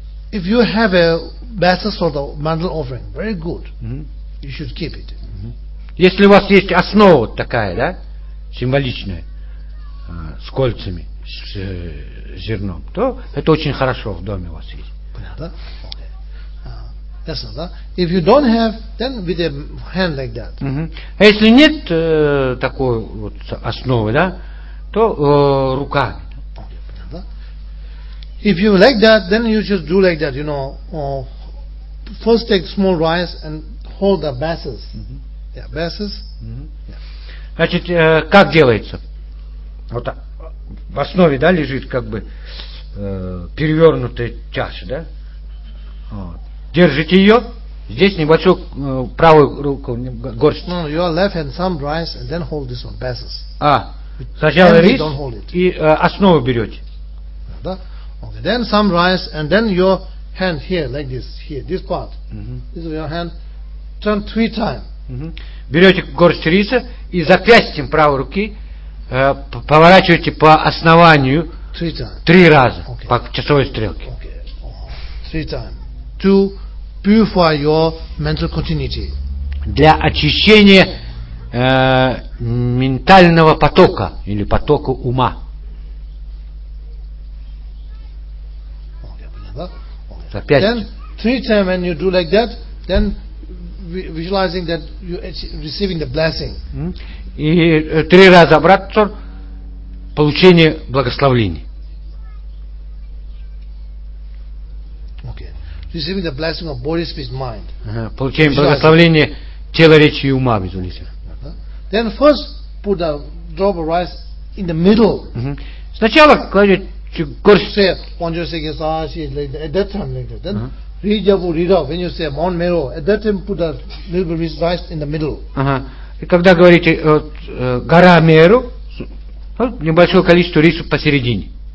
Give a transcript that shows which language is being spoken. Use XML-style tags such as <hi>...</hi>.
<en>If you have a basis for the mandal offering, very good. You should keep it.</en> <ru>Если у вас есть основа такая, да, символичная, с кольцами, с зерном, то это очень хорошо в доме у вас есть. Понятно? Okay. Ясно, да?</ru> <en>If you don't have, then with a hand like that.</en> <ru>А если нет такой вот основы, да, то рука. Понятно?</ru> <en>If you like that, then you just do like that, you know. First take small rice and hold the basses. Yeah, basses.</en> <ru>Значит, как делается? Вот так. В основе, да, лежит как бы перевернутая чаша, да? Вот. Держите ее. Здесь небольшую правую руку горсть.</ru> <en>No, your left hand some rice and then hold this one, basses.</en> <ru>А, сначала and рис и основу берете. Да? Okay.</ru> <en>Then some rice and then your hand here, like this, here, this part. This is your hand. Turn three times.</en> <ru>Берете горсть риса и запястьем правой руки поворачивайте по основанию три раза по часовой стрелке.</ru> <en>Three times. To purify your mental continuity.</en> <ru>Для очищения ментального потока или потока ума. Опять.</ru> <en>Then three times when you do like that, then visualizing that you receiving the blessing.</en> <ru>И три раза обратно получение благословения.</ru> <en>Okay. Receiving the blessing of body, speech, mind.</en> <ru>Получение благословения тела, речи и ума, визуализируем.</ru> <en>Then first put a drop of rice in the middle.</en> <ru>Сначала кладете горсть.</ru> <en>Say, when you say yes, ah, she is like that. At that time, like that. Then Rijabu, Rida, when you say Mount Meru, at that time put a little bit of rice in the middle.</en> <ru>И когда говорите гора Меру, небольшое количество риса посередине.</ru>